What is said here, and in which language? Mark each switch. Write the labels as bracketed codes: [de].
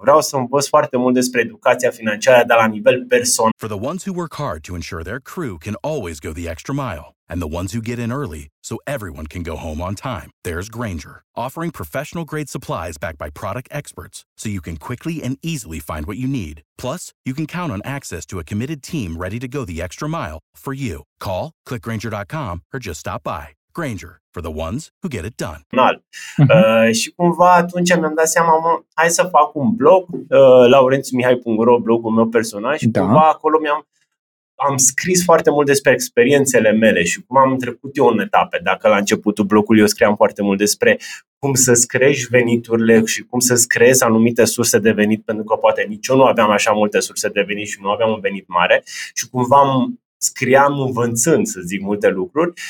[ro] Vreau să învăț foarte mult despre educația financiară, dar la nivel personal. [en] For the ones who work hard to ensure their crew can always go the extra mile. And the ones who get in early so everyone can go home on time. There's Grainger, offering professional-grade supplies backed by product experts so you can quickly and easily find what you need. Plus, you can count on access to a committed team ready to go the extra mile for you. Call, click Grainger.com, or just stop by. Grainger, for the ones who get it done. [ro] Și cumva atunci mi-am dat seama, hai să fac un blog, laurențiumihai.ro, blogul meu personal, și cumva acolo mi-am am scris foarte mult despre experiențele mele și cum am trecut eu în etape. Dacă la începutul blogului eu scriam foarte mult despre cum să-ți crești veniturile și cum să-ți creezi anumite surse de venit, pentru că poate nici eu nu aveam așa multe surse de venit și nu aveam un venit mare și cumva scriam învățând, să zic, multe lucruri.